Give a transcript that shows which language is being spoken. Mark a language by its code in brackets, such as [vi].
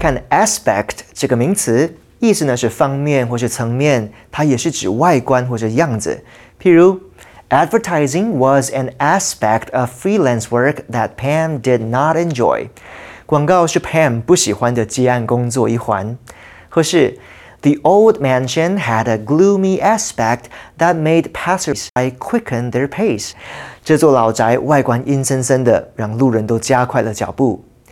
[zh] Aspect 这个名词意思呢是方面或是层面，它也是指外观或是样子。譬如 [en] ，Advertising was an aspect of freelance work that Pam did not enjoy。 [zh] 广告是 Pam 不喜欢的接案工作一环。或是 [en] ，The old mansion had a gloomy aspect that made passersby quicken their pace。 [zh] 这座老宅外观阴森森的，让路人都加快了脚步。